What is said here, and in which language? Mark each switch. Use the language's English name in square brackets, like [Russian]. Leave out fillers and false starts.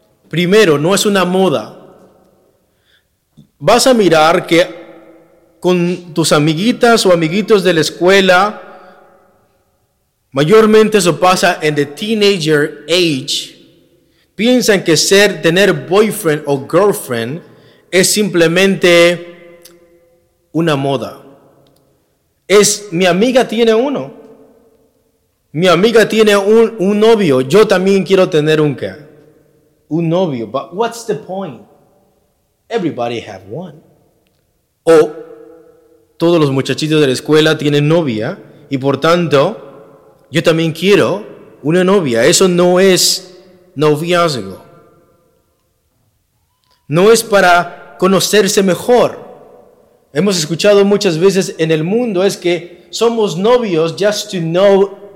[Spanish] Primero, no es una moda. Vas a mirar que con tus amiguitas o amiguitos de la escuela, mayormente eso pasa en [English] the teenager age, [Spanish] piensan que tener boyfriend o girlfriend es simplemente una moda. Es, mi amiga tiene uno. Mi amiga tiene un novio. Yo también quiero tener un qué. Un novio, [English] but what's the point? Everybody have one. [Spanish] O todos los muchachitos de la escuela tienen novia y por tanto yo también quiero una novia. Eso no es noviazgo. No es para conocerse mejor. Hemos escuchado muchas veces en el mundo es que somos novios [English] just to know